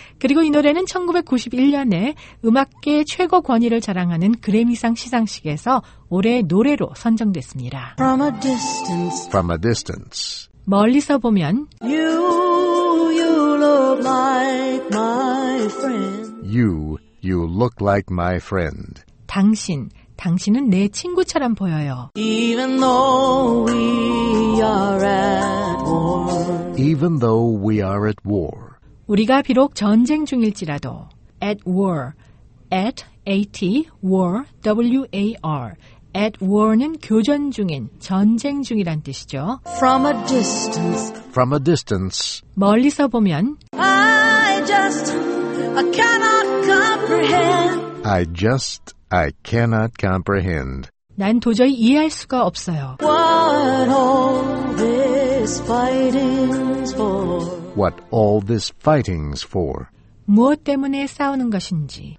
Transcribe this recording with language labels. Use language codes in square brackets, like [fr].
[ko] 그리고 이 노래는 1991년에 음악계 최고 권위를 자랑하는 그래미상 시상식에서 올해 노래로 선정됐습니다. [en] From a distance. From a distance. [ko] 멀리서 보면 [en] you look like my friend. You look like my friend. [ko] 당신은 내 친구처럼 보여요. [en] Even though we are at war. Even though we are at war. [ko] 우리가 비록 전쟁 중일지라도 at war, at A-T, war, W-A-R. At war는 교전 중인, 전쟁 중이란 뜻이죠. [en] From a distance. From a distance. [ko] 멀리서 보면 [en] I cannot comprehend. I cannot comprehend. [ko] 난 도저히 이해할 수가 없어요. [en] What all this fighting's for. What all this fighting's for. [ko] 무엇 때문에 싸우는 것인지.